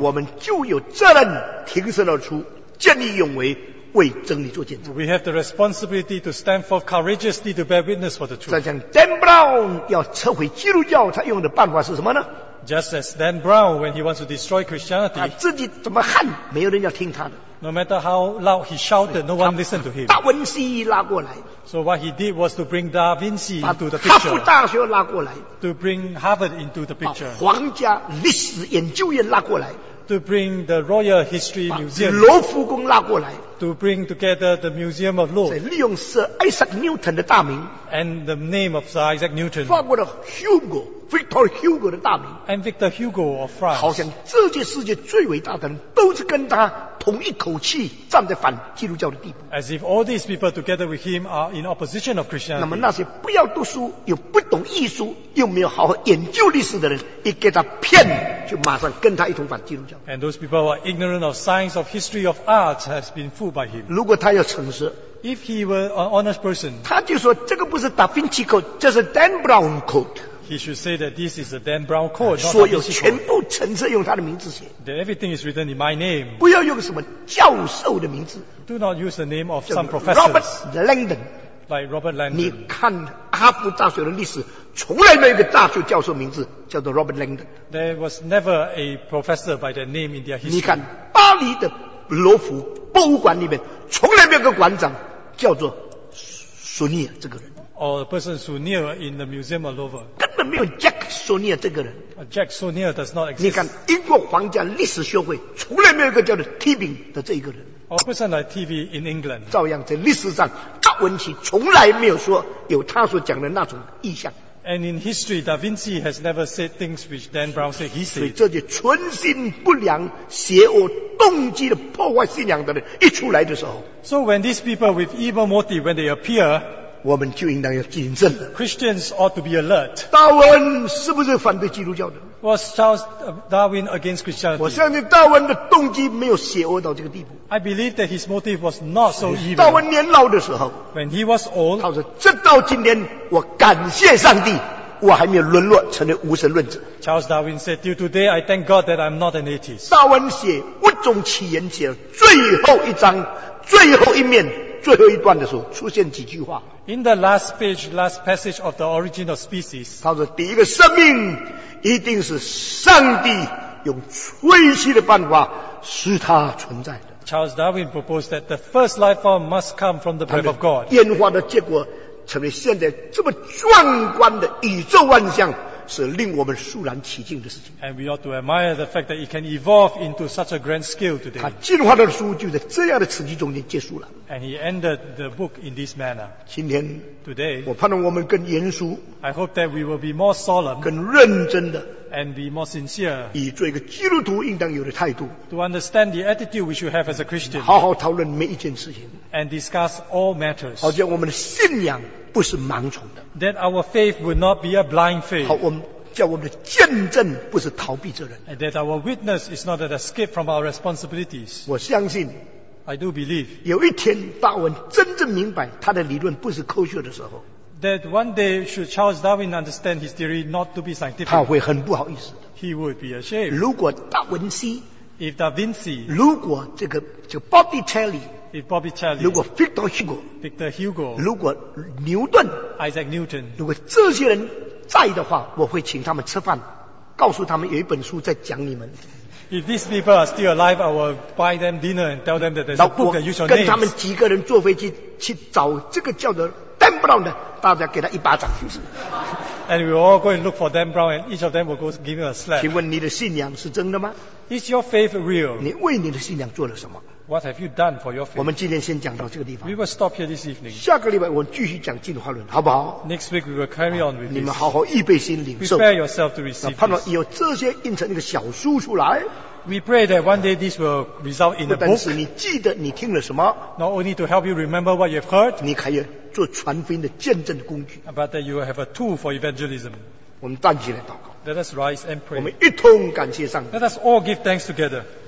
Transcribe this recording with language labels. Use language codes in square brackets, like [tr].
[zh] 我们就有责任挺身而出见义勇为为真理做见证 [en] We have the responsibility to stand forth courageously to bear witness for the truth [zh] 再讲 Dan Brown 要摧毁基督教他用的办法是什么呢 [en] Just as Dan Brown, when he wants to destroy Christianity, [zh] 自己怎么喊，没有人要听他的。 [en] No matter how loud he shouted, no one listened to him. [zh] 达文西拉过来。 [en] So what he did was to bring Da Vinci into the picture. [zh] 哈佛大学拉过来。 [en] To bring Harvard into the picture. [zh] 皇家历史研究院拉过来。 [en] To bring the Royal History Museum. [zh] 罗浮宫拉过来。 [en] To bring together the Museum of Law. [zh] 利用 Sir Isaac Newton 的大名。 [en] And the name of Sir Isaac Newton. [zh] 法国的 Hugo。 Victor Hugo 的大名 [en] and Victor Hugo of France [zh] 好像这些世界最伟大的人都是跟他同一口气站在反基督教的地步 [en] as if all these people together with him are in opposition of Christianity [zh] 那么那些不要读书又不懂艺术又没有好好研究历史的人一给他骗就马上跟他一同反基督教 [en] and those people who are ignorant of science of history of art has been fooled by him [zh] 如果他要诚实 [en] if he were an honest person [zh] 他就说这个不是达芬奇 coat 这是 Dan Brown coat [en] He should say that this is a Dan Brown code. [zh] 所有全部程式用他的名字写。 [en] That everything is written in my name. [zh] 不要用什么教授的名字。 [en] Do not use the name of some professors. Robert Langdon. Like Robert Langdon. [zh] 你看哈佛大学的历史，从来没有一个大学教授名字叫做 Robert Langdon. [en] There was never a professor by that name in their history. [zh] 你看巴黎的罗浮博物馆里面，从来没有一个馆长叫做苏尼尔这个人。 [en] Or the person Sunil in the Museum of Louvre. [zh] 根本没有 Jack Sunil 这个人。 [en] Jack Sunil does not exist. [zh] 你看英国皇家历史学会从来没有一个叫做 Tibbing 的这一个人。 [en] Or a person like TV in England. [zh] 照样在历史上达文奇从来没有说有他所讲的那种意象。 [en] And in history, Da Vinci has never said things which Dan Brown said he said. [zh] 所以这些存心不良、邪恶动机的破坏信仰的人一出来的时候。 [en] So when these people with evil motive, when they appear, [zh] 我们就应当要谨慎了。 [en] Christians ought to be alert. [zh] 达文是不是反对基督教的 [en] ？Was Charles Darwin against Christianity? [zh] 我相信达文的动机没有邪恶到这个地步。 [en] I believe that his motive was not so evil. [zh] 达文年老的时候 [en] ，When he was old， [zh] 他说：“直到今天，我感谢上帝，我还没有沦落成为无神论者。 [en] ”Charles Darwin said, "Till today, I thank God that I'm not an atheist." [zh] 达文写《物种起源》写最后一章、最后一面、最后一段的时候，出现几句话。 [en] In the last page, last passage of the Origin of Species, [zh] 他说第一个生命一定是上帝用吹气的办法使它存在的。 [en] Charles Darwin proposed that the first life form must come from the breath of God. [zh] 演化的结果成为现在这么壮观的宇宙万象是令我们肃然起敬的事情。 [en] And we ought to admire the fact that it can evolve into such a grand scale today. [zh] 他进化的书就在这样的刺激中间结束了。 [en] And he ended the book in this manner. [zh] 今天 [en] ，today， [zh] 我盼望我们更严肃。 [en] I hope that we will be more solemn， [zh] 更认真的。 [en] And be more sincere， [zh] 以做一个基督徒应当有的态度。 [en] To understand the attitude we should have as a Christian， [zh] 好好讨论每一件事情。 [en] And discuss all matters， [zh] 好像我们的信仰。不是盲从的。 [en] That our faith would not be a blind faith. [zh] 好，我们叫我们的见证不是逃避责任。 [en] And that our witness is not an escape from our responsibilities. [zh] 我相信。 [en] I do believe. [zh] 有一天，达文真正明白他的理论不是科学的时候。 [en] That one day should Charles Darwin understand his theory not to be scientific. [zh] 他会很不好意思的。 [en] He would be ashamed. [zh] 如果达文西。 [en] If Da Vinci. [zh] 如果这个 Bobby Telly。 [en] If Bobby Charlie, [zh] 如果 Victor Hugo, [en] Victor Hugo, [zh] 如果牛顿 [en] Isaac Newton, [zh] 如果这些人在的话，我会请他们吃饭，告诉他们有一本书在讲你们。 [en] If these people are still alive, I will buy them dinner and tell them that there's a book that use your [zh] name. 跟他们几个人坐飞机去找这个叫做 Dan Brown 的，大家给他一巴掌，就是。 [en] And we will all go and look for Dan Brown, and each of them will go give him a slap. [zh] 请问你的信仰是真的吗 [en] ？Is your faith real? [zh] 你为你的信仰做了什么？ [en] What have you done for your faith? [zh] 我们今天先讲到这个地方。 [en] We will stop here this evening. [zh] 下个礼拜我们继续讲进化论，好不好 [en] ？Next week we will carry on with this. [zh] 你们好好预备心领受。 [en] Prepare yourself to receive. [zh] 盼望有这些印成一个小书出来。 [en] We pray that one day this will result in a book. [zh] 不但是你记得你听了什么 [en] ，Not only to help you remember what you've heard. [zh] 你可以做传福音的见证的工具。 [en] But that you will have a tool for evangelism. [zh] 我们站起来祷告。 [en] Let us rise and pray. [zh] 我们一同感谢上帝。 [en] Let us all give thanks together.